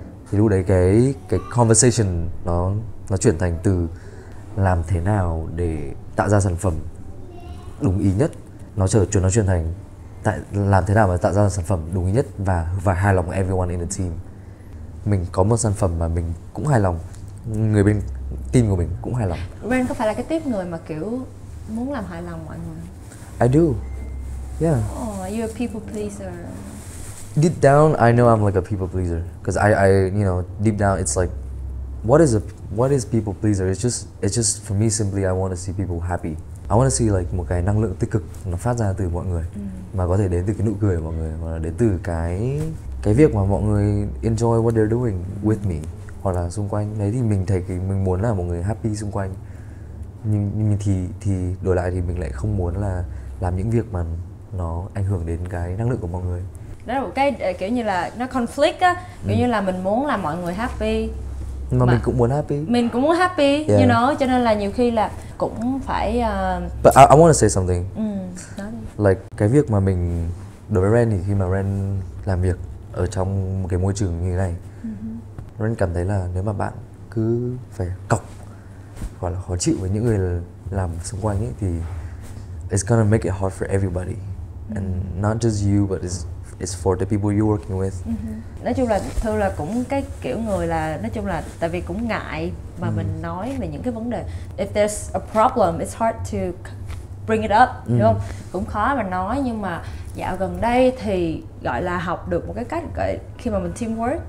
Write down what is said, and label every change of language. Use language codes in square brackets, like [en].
[vi] Thì lúc đấy cái conversation nó chuyển thành từ làm thế nào để tạo ra sản phẩm đúng ý nhất, nó chuyển thành tại làm thế nào mà tạo ra sản phẩm đúng ý nhất và hài lòng [en] everyone in the team. [vi] Mình có một sản phẩm mà mình cũng hài lòng, người bên team của mình cũng hài lòng. Ren có phải là cái tiếp người mà kiểu muốn làm hài lòng mọi người? [en] I do. Yeah. Oh, you're a people pleaser. Deep down, I know I'm like a people pleaser. Cause I, you know, deep down, it's like, what is people pleaser? It's just for me, simply, I want to see people happy. I want to see like [vi] một cái năng lượng tích cực nó phát ra từ mọi người, mà có thể đến từ cái nụ cười của mọi người, mà đến từ cái việc mà mọi người [en] enjoy what they're doing with me [vi] hoặc là xung quanh. Đấy thì mình thấy mình muốn là mọi người happy xung quanh. Nhưng thì đổi lại thì mình lại không muốn là làm những việc mà nó ảnh hưởng đến cái năng lượng của mọi người. Đó là một cái kiểu như là nó conflict á, kiểu như là mình muốn làm mọi người happy mà mình cũng muốn happy. Mình cũng muốn happy, yeah. [en] You know, [vi] cho nên là nhiều khi là cũng phải [en] But I want to say something. [vi] Ừ, nói đi. Like cái việc mà mình đối với Ren thì khi mà Ren làm việc ở trong một cái môi trường như thế này, Ren cảm thấy là nếu mà bạn cứ phải cọc hoặc là khó chịu với những người làm xung quanh ấy thì [en] it's gonna make it hard for everybody. And not just you, but it's for the people you're working with. [vi] Nói chung là Thư là cũng cái kiểu người là nói chung là tại vì cũng ngại mà mình nói về những cái vấn đề. [en] If there's a problem, it's hard to bring it up, [vi] đúng không? Cũng khó mà nói, nhưng mà dạo gần đây thì gọi là học được một cái cách khi mà mình teamwork.